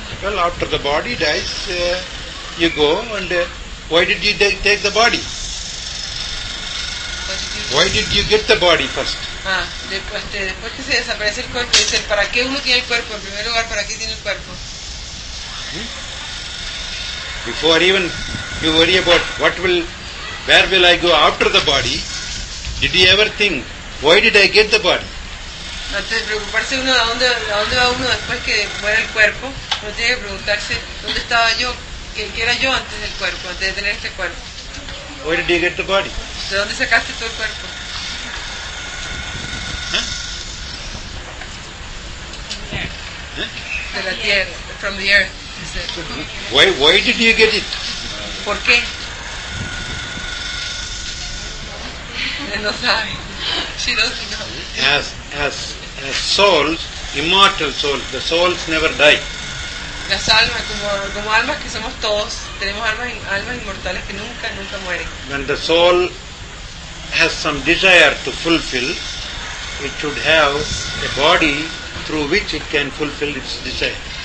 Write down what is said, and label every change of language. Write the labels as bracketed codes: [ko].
[en] Well, after the body dies, you go and why did you take the body? Why did you get the body first? [es] Después que se desaparece el cuerpo, dice, ¿para qué uno tiene el cuerpo? En primer lugar, ¿para qué tiene el cuerpo? [en] Before even you worry about where will I go after the body, did you ever think, why did I get the body? [es] Antes de preocuparse uno, ¿a dónde va uno después que muere el cuerpo? Uno tiene que preguntarse, ¿dónde estaba yo? ¿Qué era yo antes del cuerpo, antes de tener este cuerpo? [en] Where did you get the body? [es] ¿De dónde sacaste todo el cuerpo? De la tierra, [en] from the earth. Why did you get it? [es] ¿Por qué? No sabe. [en] She doesn't know. As souls, immortal souls, the souls never die. [es] Las almas, como almas que somos todos, tenemos almas inmortales que nunca mueren. [en] When the soul has some desire to fulfill, it should have a body through which it can fulfill its desire.